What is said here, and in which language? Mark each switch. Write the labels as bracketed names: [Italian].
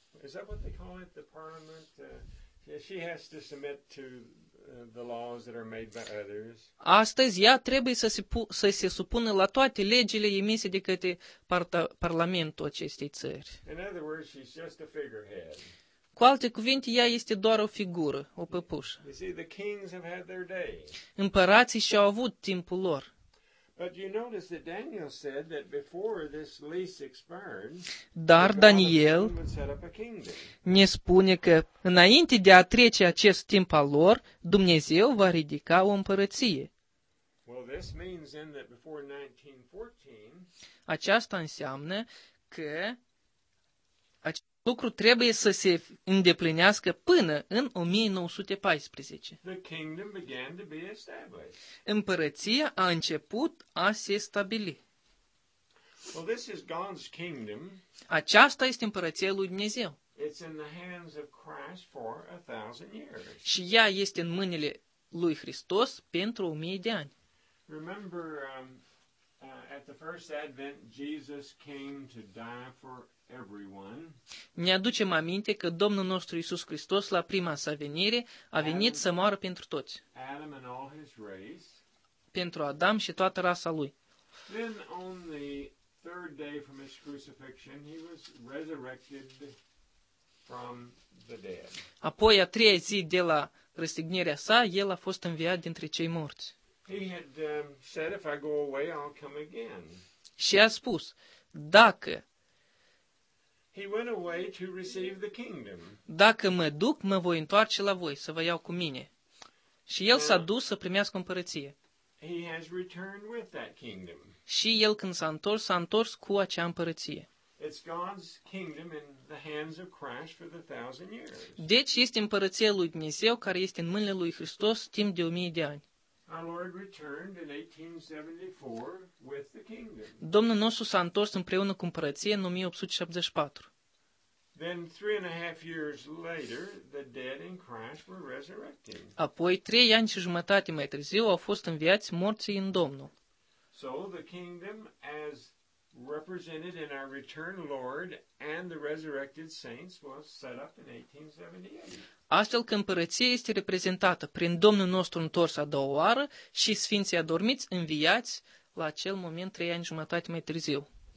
[English] Is that what they call it, the parliament? She has to submit to the laws that are made by others. [Romanian] Astăzi ea trebuie să se supună la toate legile emise de către parlamentul acestei țări. [English] In other words, she's just a figurehead. [Romanian] Cu alte cuvinte, ea este doar o figură, o păpușă. [English] You see, the kings have had their day. [Romanian] Împărații și-au avut timpul lor. [English] But you notice that Daniel said that before this lease expired, [Romanian] dar Daniel ne spune că înainte de a trece acest timp al lor, Dumnezeu va ridica o împărăție. [English] Well, this means then that before 1914, [Romanian] aceasta înseamnă că acest lucru trebuie să se îndeplinească până în 1914. [English] The kingdom began to be established. [Romanian] Împărăția a început a se stabili. [English] Well, this is God's kingdom. [Romanian] Aceasta este împărăția lui Dumnezeu. [English] It's in the hands of Christ for 1,000 years. [Romanian] Și ea este în mâinile lui Hristos pentru 1,000 de ani. [English] Remember, at the first advent, Jesus came to die for everyone. [Romanian] Ne aducem aminte că Domnul nostru Iisus Hristos la prima sa venire a venit să moară pentru toți. [English] Adam and all his race. [Romanian] Pentru Adam și toată rasa lui. [English] Then on the third day from his crucifixion, he was resurrected from the dead. [Romanian] Apoi a treia zi de la răstignirea sa, el a fost înviat dintre cei morți. [English] He had said, if I go away, I'll come again. [Romanian] Și a spus, dacă [English] he went away to receive the kingdom. [Romanian] Dacă mă duc, mă voi întoarce la voi, să vă iau cu mine. Și el s-a dus să primească împărăție. [English] He has returned with that kingdom. [Romanian] Și el când s-a întors, cu acea împărăție. [English] It's God's kingdom in the hands of Christ for the 1,000 years. [Romanian] Deci este împărăția lui Dumnezeu care este în mâinile lui Hristos timp de 1,000 de ani. [English] Our Lord returned in 1874 with the kingdom. [Romanian] Domnul nostru s-a întors împreună cu împărăția în 1874. [English] Then 3.5 years later, the dead in Christ were resurrected. [Romanian] Apoi 3 ani și jumătate mai târziu au fost înviați morții în Domnul. [English] So the kingdom as represented in our returned Lord and the resurrected saints was set up in 1878. [Romanian] Astfel că împărăția este reprezentată prin Domnul nostru întors a doua oară și sfinții adormiți înviați la acel moment 3 ani și jumătate mai târziu.